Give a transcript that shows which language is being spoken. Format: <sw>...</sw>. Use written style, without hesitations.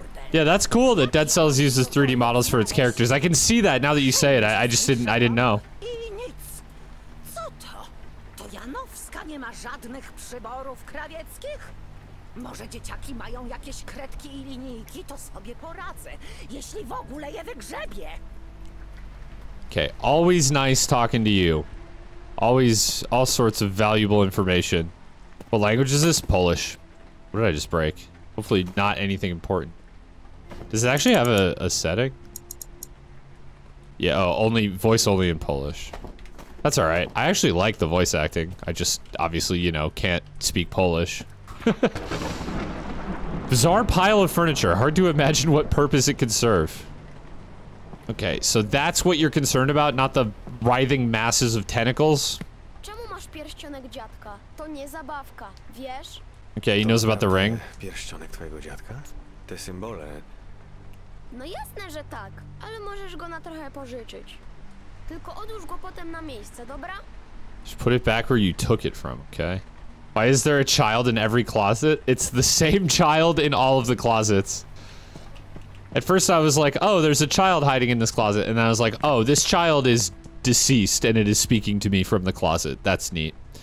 <en>Yeah, that's cool that Dead Cells uses 3D models for its characters. I can see that now that you say it. I just didn't know.</en> <pl>Co to? To Janowska nie ma żadnych przyborów krawieckich? Może dzieciaki mają jakieś kredki I linijki, to sobie poradzę, jeśli w ogóle je wygrzebię.</pl> <en>Okay, always nice talking to you. Always all sorts of valuable information. What language is this? Polish. What did I just break? Hopefully not anything important. Does it actually have a setting? Yeah, oh, only voice only in Polish. That's all right. I actually like the voice acting. I just obviously, you know, can't speak Polish. Bizarre pile of furniture. Hard to imagine what purpose it could serve. Okay, so that's what you're concerned about, not the writhing masses of tentacles.</en> <pl>Czemu masz pierścionek dziadka? To nie zabawka, wiesz?</pl> <en>Okay, he knows about the ring.</en> <pl>Pierścionek twojego dziadka? Te symbole. No jasne, że tak, ale możesz go na trochę pożyczyć. Tylko odłóż go potem na miejsce, dobra?</pl> <en>Just put it back where you took it from, okay? Why is there a child in every closet? It's the same child in all of the closets. At first I was like, oh, there's a child hiding in this closet. And I was like, oh, this child is deceased and it is speaking to me from the closet. That's neat.</en>